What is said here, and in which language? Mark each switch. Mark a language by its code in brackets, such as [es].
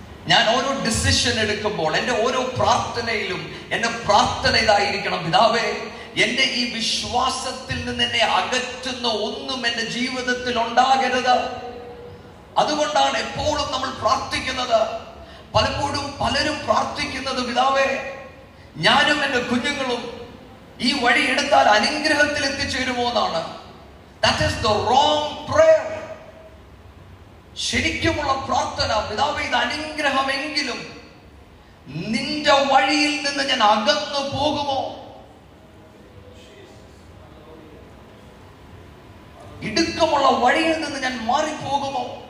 [ml] ഞാൻ ഓരോ ഡിസിഷൻ എടുക്കുമ്പോൾ എന്റെ ഓരോ പ്രാർത്ഥനയിലും എന്റെ പ്രാർത്ഥന ഇതായിരിക്കണം, പിതാവേ എന്റെ ഈ വിശ്വാസത്തിൽ നിന്ന് എന്നെ അകറ്റുന്ന ഒന്നും എന്റെ ജീവിതത്തിൽ ഉണ്ടാകരുത്. അതുകൊണ്ടാണ് എപ്പോഴും നമ്മൾ പ്രാർത്ഥിക്കുന്നത്. പലപ്പോഴും പലരും പ്രാർത്ഥിക്കുന്നത് പിതാവേ ഞാനും എന്റെ കുഞ്ഞുങ്ങളും ഈ വഴി എടുത്താൽ അനുഗ്രഹത്തിൽ എത്തിച്ചേരുമോന്നാണ്. [en] That is the wrong prayer. [ml] ശരിക്കുമുള്ള പ്രാർത്ഥന, പിതാവേ ഇത് അനുഗ്രഹമെങ്കിലും നിന്റെ വഴിയിൽ നിന്ന് ഞാൻ അകന്നു പോകുമോ? ഇടുക്കമുള്ള വഴിയിൽ നിന്ന് ഞാൻ മാറിപ്പോകുമോ?